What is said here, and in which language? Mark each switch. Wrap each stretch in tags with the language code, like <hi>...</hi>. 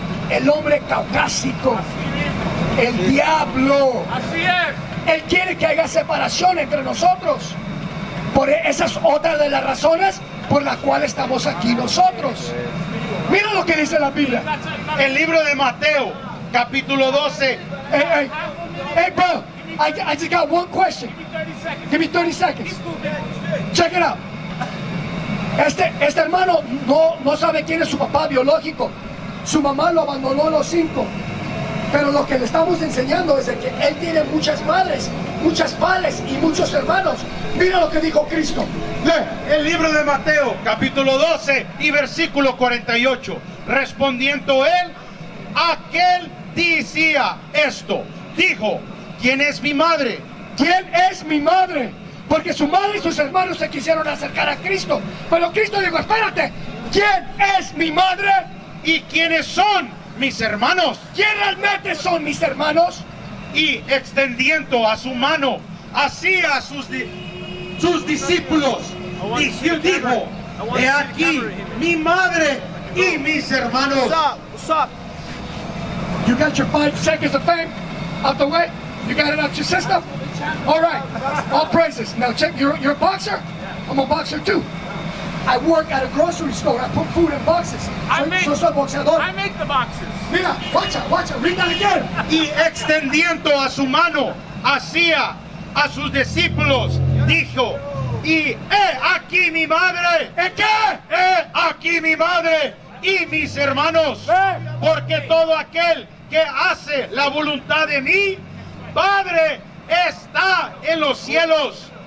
<es>El hombre caucásico. El diablo. Así es. Él quiere que haya separación entre nosotros. Por esa es otra de las razones por la cual estamos aquí nosotros. Mira lo que dice la Biblia. El libro de Mateo, capítulo 12.</es> <en>Hey, bro, I just got one question. Give me 30 seconds. Check it out.</en> <es>Este hermano no sabe quién es su papá biológico. Su mamá lo abandonó a los 5. Pero lo que le estamos enseñando es de que él tiene muchas madres, muchas padres y muchos hermanos. Mira lo que dijo Cristo. El libro de Mateo, capítulo 12 y versículo 48. Respondiendo él, aquel decía esto. Dijo, ¿quién es mi madre? ¿Quién es mi madre? Porque su madre y sus hermanos se quisieron acercar a Cristo. Pero Cristo dijo, espérate, ¿quién es mi madre? ¿Y quiénes son mis hermanos? ¿Quién realmente son mis hermanos? Y extendiendo a su mano hacia sus discípulos, dijo, he aquí mi madre y mis hermanos.</es> <en>What's up? You got your 5 seconds of fame out the way? You got it out your system? All right, all praises. Now check, you're a boxer? I'm a boxer too. I work at a grocery store. I put food in boxes. I make the boxes. Mira, watch out, read that again.</en> <es>Y extendiendo a su mano hacia a sus discípulos, dijo, y aquí mi madre. ¿En qué? Aquí mi madre y mis hermanos. Porque todo aquel que hace la voluntad de mi Padre está en los cielos.</es>